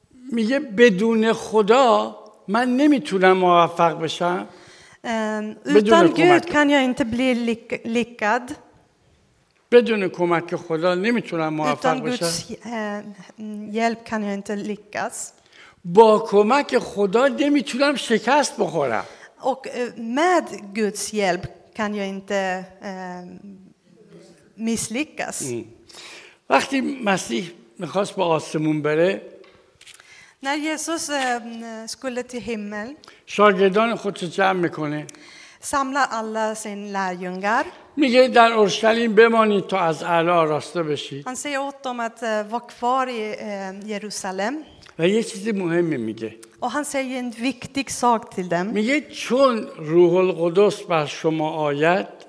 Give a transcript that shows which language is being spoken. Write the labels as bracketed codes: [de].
[fa] میگه بدون خدا من نمیتونم موفق بشم. [sv] Utan Gud kan jag inte bli lyckad. [fa] بدون کمک خدا نمیتونم موفق بشم. [sv] Utan Guds hjälp kan jag inte lyckas. [fa] با کمک خدا نمیتونم شکست بخورم. [sv] Och med Guds hjälp kan jag inte misslyckas. [fa] وقتی مسیح میخواست به آسمون بره. [sv] När Jesus skulle till himmel. [fa] شاگردان خودش جمع میکنه. [sv] Samlar alla sina lärjungar. [fa] میگه در اورشلیم بمانید تا از اعلی آراسته بشید. [sv] Han säger åt dem att var kvar i Jerusalem. [fa] و یه چیزی مهمی میگه. [sv] Och han säger en viktig sak till dem. [fa] میگه چون روح القدس بر شما آید.